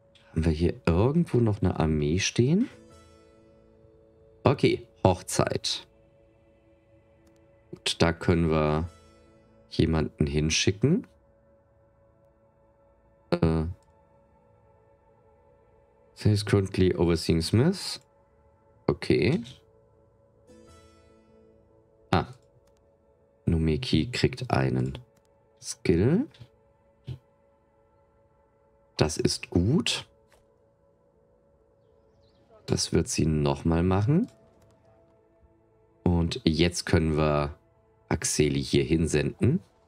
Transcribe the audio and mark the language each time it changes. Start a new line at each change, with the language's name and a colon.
German: Haben wir hier irgendwo noch eine Armee stehen? Okay, Hochzeit. Gut, da können wir jemanden hinschicken.
English: He is currently overseeing Smith. Okay. Ah.
German: Numeki kriegt einen Skill. Das ist gut. Das wird sie nochmal machen. Und jetzt können wir Axeli hier hinsenden.